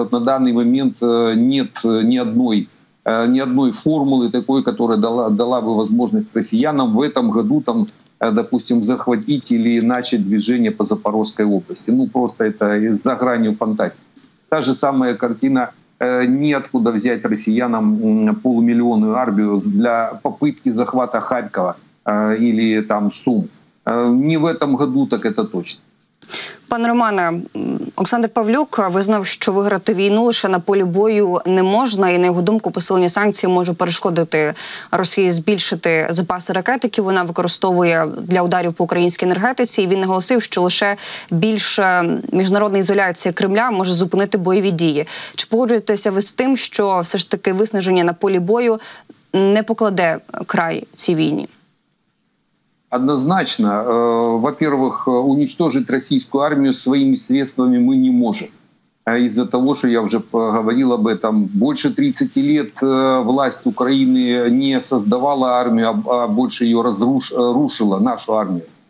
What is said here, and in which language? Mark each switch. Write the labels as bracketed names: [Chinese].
[Russian] Вот на данный момент нет ни одной формулы такой, которая дала бы возможность россиянам в этом году, там, допустим, захватить или начать движение по Запорожской области. Ну, просто это за гранью фантастики. Та же самая картина, ниоткуда взять россиянам полумиллионную армию для попытки захвата Харькова или там Сум. Не в этом году, так это точно. [Ukrainian] Пане Романе, Олександр Павлюк визнав, що виграти війну лише на полі бою не можна, і, на його думку, посилення санкцій може перешкодити Росії збільшити запаси ракет, які вона використовує для ударів по українській енергетиці. І він наголосив, що лише більша міжнародна ізоляція Кремля може зупинити бойові дії. Чи погоджуєтеся ви з тим, що все ж таки виснаження на полі бою не покладе край цій війні? Однозначно. [Russian] Во-первых, уничтожить российскую армию своими средствами мы не можем. из-за того, что я уже говорил об этом, больше 30 лет власть Украины не создавала армию, а больше ее рушила, нашу армию.